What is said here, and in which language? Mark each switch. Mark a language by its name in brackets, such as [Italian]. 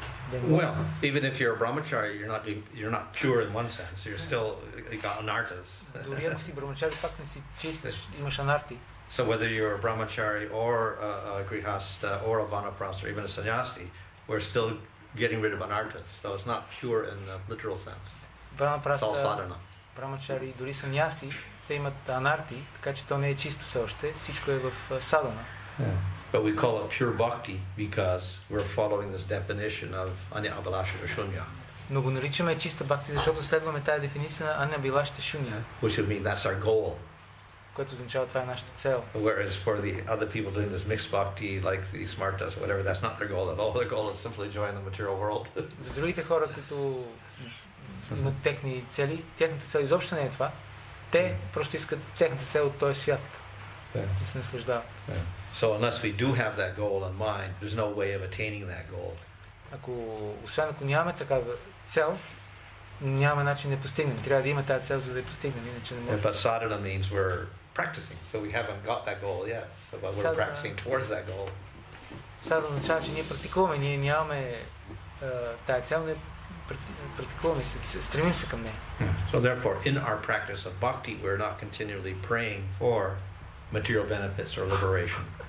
[English] Then well, even if you're a brahmachari, you're not pure in one sense, you're still got anartas. [Bulgarian] Дори ако си брахмачари, пак не си чист, имаш анарти. [English] So whether you're a brahmachari or a grihastha or a vanaprastha or even a sannyasi, we're still getting rid of anartas. So it's not pure in the literal sense. It's all sadhana. [Bulgarian] Brahmachari, дори sannyasi, се имат анарти, така че то не е чисто все още. Всичко е в sadhana. [English] But we call it pure bhakti because we're following this definition of anya abhilashita shunya. [Bulgarian] Но го наричаме чиста бхакти, защото следваме тая дефиниция на anya abhilashita shunya. [English] Which would mean that's our goal. [Bulgarian] Което означава, това е нашата цел. [English] Whereas for the other people doing this mixed bhakti, like the smartas, whatever, that's not their goal at all. Their goal is simply join the material world. [Bulgarian] За другите хора, които имат техни цели, техната цел изобщо не е това. Те просто искат техната цел от този свят. Да се наслаждават. [English] So unless we do have that goal in mind, there's no way of attaining that goal. [Bulgarian] Ако, освен ако нямаме такава цел, няма начин да постигнем. Трябва да има тази цел, за да я постигнем, иначе не можем. [English] But sadhana means we're practicing, so we haven't got that goal yet. So, but we're practicing towards that goal. [Bulgarian] Sadhana означава, че ние практикуваме, ние нямаме тази цел, не практикуваме, стремим се към нея. [English] So therefore, in our practice of bhakti, we're not continually praying for material benefits or liberation.